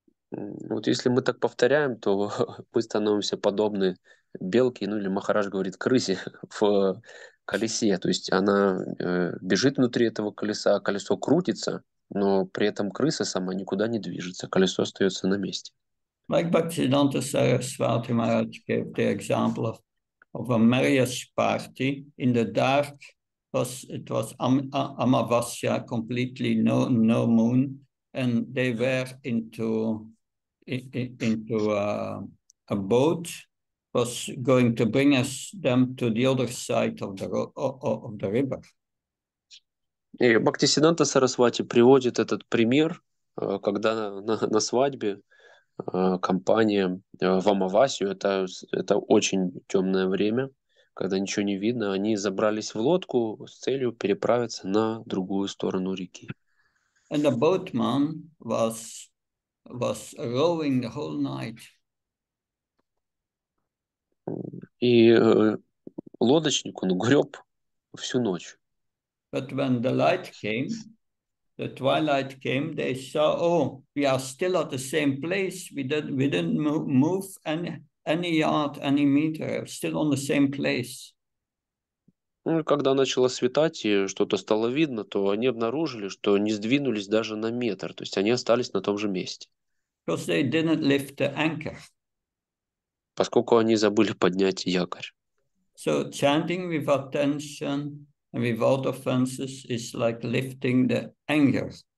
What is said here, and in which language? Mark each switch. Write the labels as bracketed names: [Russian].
[Russian] Вот если мы так повторяем, то мы становимся подобны белке, ну или Махарадж говорит, крысе в колесе. То есть она бежит внутри этого колеса, колесо крутится, но при этом крыса сама никуда не движется, колесо остается на месте. [English] Like Bhaktisiddhanta Saraswati Maharaj gave the example of a marriage party in the dark, it was Amavasya, completely no moon, and they were into a boat was going to bring us them to the other side of the river. [Russian] И Бхактисиддханта Сарасвати приводит этот пример, когда на свадьбе компания в Амавасию, это очень темное время, когда ничего не видно, они забрались в лодку с целью переправиться на другую сторону реки. [English] And the boatman was rowing the whole night. [Russian] И лодочник, он греб всю ночь. [English] But when the twilight came, they saw, oh, we are still at the same place. We didn't move any yard, any meter, still on the same place. [Russian] Ну, когда начало светать и что-то стало видно, то они обнаружили, что не сдвинулись даже на метр. То есть они остались на том же месте. [English] Because they didn't lift the anchor. [Russian] Поскольку они забыли поднять якорь. [English] So chanting with attention and without offenses is like lifting the anchor.